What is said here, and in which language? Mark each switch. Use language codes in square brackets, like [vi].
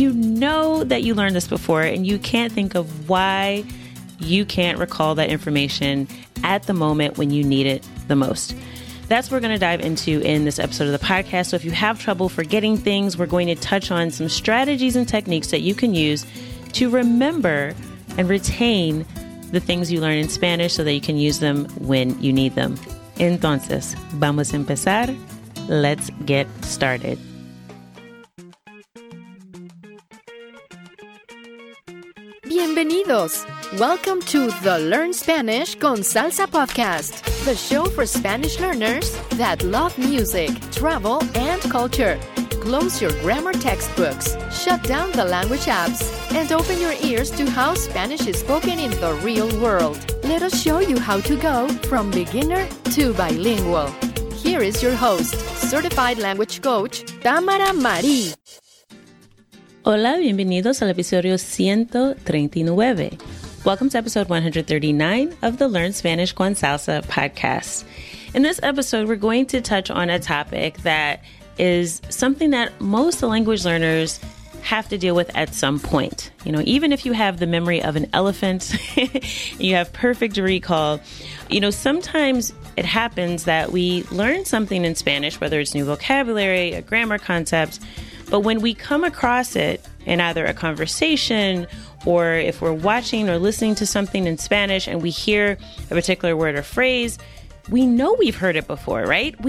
[en] You know that you learned this before and you can't think of why you can't recall that information at the moment when you need it the most. That's what we're going to dive into in this episode of the podcast. So if you have trouble forgetting things, we're going to touch on some strategies and techniques that you can use to remember and retain the things you learn in Spanish so that you can use them when you need them. [es] Entonces, vamos a empezar. [en] Let's get started. [es] Bienvenidos. [en] Welcome to the Learn Spanish con Salsa podcast, the show for Spanish learners that love music, travel, and culture. Close your grammar textbooks, shut down the language apps, and open your ears to how Spanish is spoken in the real world. Let us show you how to go from beginner to bilingual. Here is your host, certified language coach, Tamara Marie. [es] Hola, bienvenidos al episodio 139. [en] Welcome to episode 139 of the Learn Spanish con Salsa podcast. In this episode, we're going to touch on a topic that is something that most language learners have to deal with at some point. You know, even if you have the memory of an elephant, you have perfect recall, you know, sometimes it happens that we learn something in Spanish, whether it's new vocabulary, a grammar concept, but when we come across it in either a conversation or if we're watching or listening to something in Spanish and we hear a particular word or phrase, we know we've heard it before, right?